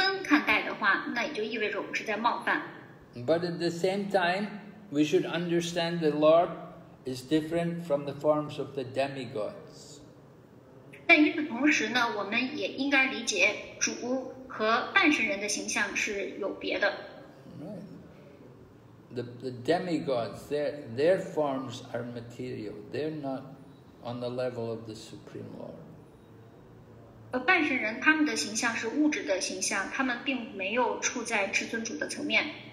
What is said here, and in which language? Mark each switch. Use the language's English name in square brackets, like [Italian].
[Chinese] 那如果我们要是把他们区分看待的话，那也就意味着我们是在冒犯。 [English] But at the same time, we should understand the Lord is different from the forms of the demigods. [Chinese] 但与此同时呢，我们也应该理解主和半神人的形象是有别的。 [English] The demigods, their forms are material. They're not on the level of the Supreme Lord. [Chinese] 半神人他们的形象是物质的形象，他们并没有处在至尊主的层面。